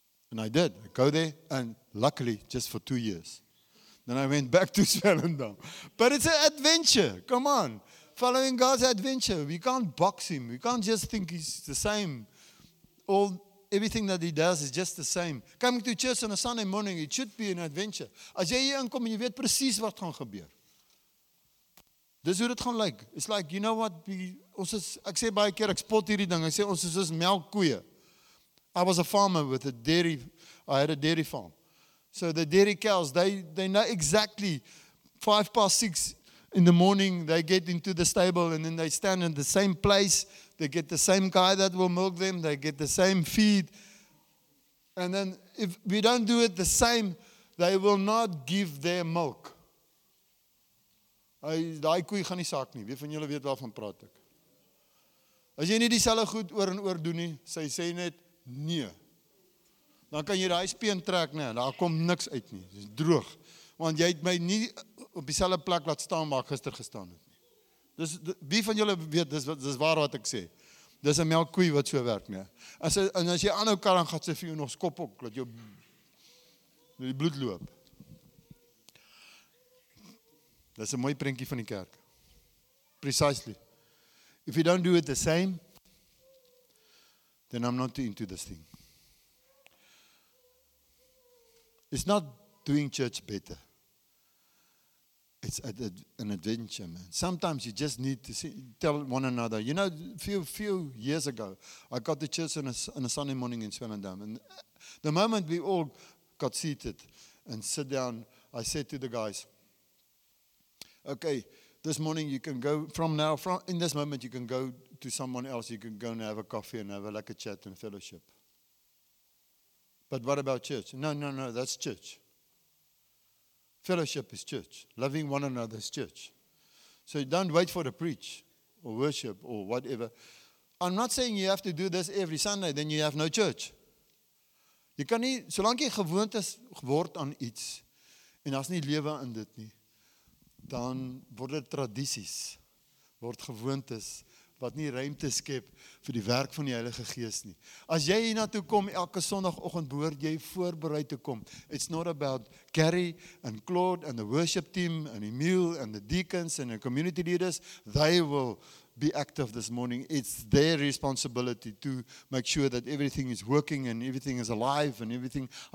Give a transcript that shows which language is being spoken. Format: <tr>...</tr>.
<en>And I did. I go there and luckily just for 2 years. Then I went back to Swellendam. But it's an adventure. Come on. Following God's adventure. We can't box him. We can't just think he's the same. Everything that he does is just the same. Coming to church on a Sunday morning, it should be an adventure.</en> <af>As jy hier inkom, jy weet precies wat gaan gebeur. Dis hoe dit gaan lyk.</af> <en>It's like, you know what?</en> <af>Ek sê baie keer, ek spot hierdie ding. Ek sê, ons is soos melkkoeie.</af> <en>I was a farmer with a dairy. I had a dairy farm. So the dairy cows, they know exactly 6:05 in the morning, they get into the stable and then they stand in the same place. They get the same guy that will milk them. They get the same feed. And then if we don't do it the same, they will not give their milk.</en> <af>Daai koei gaan nie saak nie. Wie van julle weet waarvan praat ek? As jy nie dieselfde goed oor en oor doen nie, sy sê net nee. Dan kan jy daai speen trek, nee, daar kom niks uit nie, dit is droog. Want jy het my nie op dieselfde plek laat staan waar ek gister gestaan het nie. Dus wie van julle weet, dis waar wat ek sê. Dis 'n melkkoe wat so werk, nee. As jy aanhou kar, dan gaat sy vir jou nog skop ook, dat jou die bloed loop. Dis 'n mooi prentjie van die kerk.</af> <en>Precisely. If you don't do it the same, then I'm not into this thing. It's not doing church better. It's an adventure, man. Sometimes you just need to tell one another. You know, few years ago, I got to church on a Sunday morning in Swellendam. And the moment we all got seated and sit down, I said to the guys, okay, this morning you can go, from now, in this moment you can go to to someone else, you can go and have a coffee and have a, like a chat and fellowship. But what about church? No, that's church. Fellowship is church. Loving one another is church. So don't wait for the preach or worship or whatever. I'm not saying you have to do this every Sunday, then you have no church. You can</en> <af>nie, solank jy gewoond is word aan iets, en as nie lewe in dit nie, dan word dit tradities, word gewoontes, wat nie ruimte skep vir die werk van die Heilige Gees nie. As jy hierna toe kom, elke sonoggend behoort jy voorbereid te kom.</af> <en>It's not about Gary and Claude and the worship team and Emil and the deacons and the community leaders. They will be active this morning. It's their responsibility to make sure that everything is working and everything is alive and everything.</en>